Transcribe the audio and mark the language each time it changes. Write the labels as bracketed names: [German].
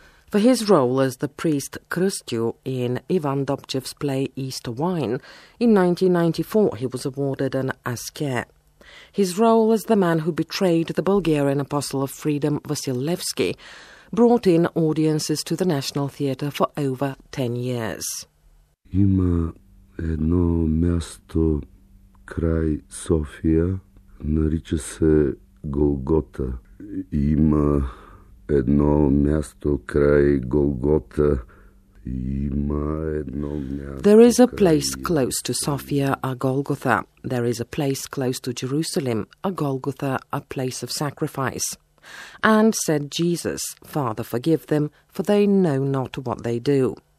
[English] For his role as the priest Krustyu in Ivan Dobchev's play Easter Wine, in 1994 he was awarded an Asker. His role as the man who betrayed the Bulgarian apostle of freedom, Vasil Levski, brought in audiences to the National Theatre for over 10 years. [Bulgarian] Има едно място край София, нарича се Голгота. Има едно място край Голгота. [English] There is a place close to Sofia, a Golgotha. There is a place close to Jerusalem, a Golgotha, a place of sacrifice. And said Jesus, Father, forgive them, for they know not what they do.